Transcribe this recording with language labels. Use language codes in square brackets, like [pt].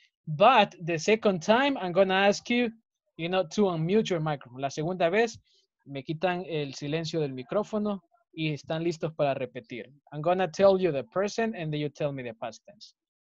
[en] But the second time I'm gonna ask you, you know, to unmute your microphone. [es] La segunda vez me quitan el silencio del micrófono y están listos para repetir. [en] I'm gonna tell you the present and then you tell me the past tense.